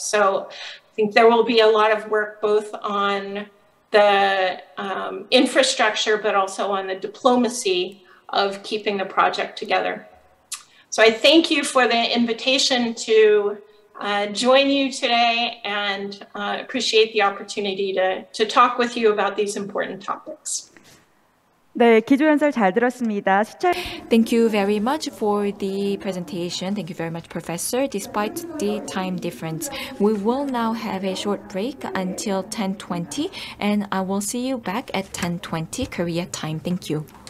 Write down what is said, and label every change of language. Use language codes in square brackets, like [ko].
[en] So I think there will be a lot of work both on the infrastructure, but also on the diplomacy of keeping the project together. So I thank you for the invitation to join you today and appreciate the opportunity to talk with you about these important topics. [ko] 네, 기조 연설 잘 들었습니다. [en] Thank you very much for the presentation. Thank you very much, Professor. Despite the time difference, we will now have a short break until 10:20, and I will see you back at 10:20 Korea time. Thank you.